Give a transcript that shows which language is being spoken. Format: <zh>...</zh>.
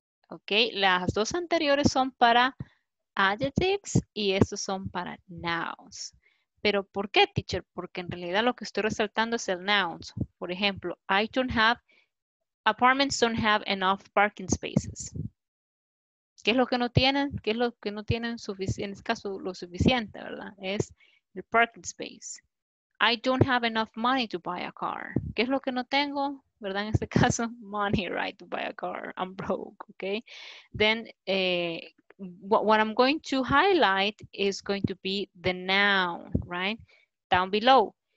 <es>Okay, las dos anteriores son para adjectives y estos son para nouns. Pero, ¿por qué, teacher? Porque en realidad lo que estoy resaltando es el nouns. Por ejemplo,</es> <en>apartments don't have enough parking spaces.</en> <es>¿Qué es lo que no tienen? ¿Qué es lo que no tienen en este caso lo suficiente, verdad? Es el parking space.</es> <en>I don't have enough money to buy a car.</en> <es>¿Qué es lo que no tengo, verdad? En este caso,</es> <en>money, right, to buy a car. I'm broke, okay? Then, what I'm going to highlight is going to be the noun, right? Down below.</en>